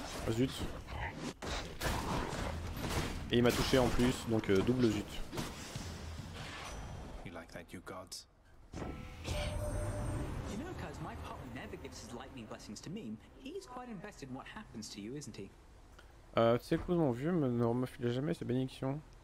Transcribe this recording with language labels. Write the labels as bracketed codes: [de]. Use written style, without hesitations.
[fr] Zut. Et il m'a touché en plus, donc double zut. [en] You like that, you gods? You know, cuz my partner never gives his lightning blessings to me. He's quite invested in what happens to you, isn't he? [fr] Tu sais quoi, mon vieux ne me file jamais ses bénédictions.